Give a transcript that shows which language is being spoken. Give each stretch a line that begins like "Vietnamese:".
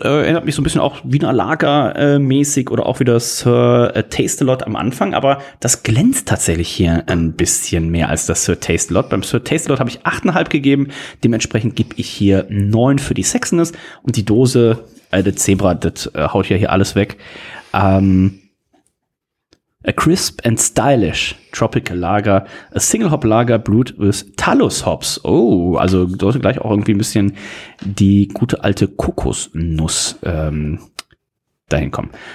German: Erinnert mich so ein bisschen auch Wiener Lager mäßig oder auch wie das Sir Taste-A-Lot am Anfang. Aber das glänzt tatsächlich hier ein bisschen mehr als das Sir Taste-A-Lot. Beim Sir Taste-A-Lot habe ich 8,5 gegeben. Dementsprechend gebe ich hier 9 für die Sexiness. Und die Dose, der Zebra, das haut ja hier alles weg.
English: A crisp and stylish tropical lager, a single hop lager brewed with Talus hops.
German: Oh, also sollte gleich auch irgendwie ein bisschen die gute alte Kokosnuss dahin kommen.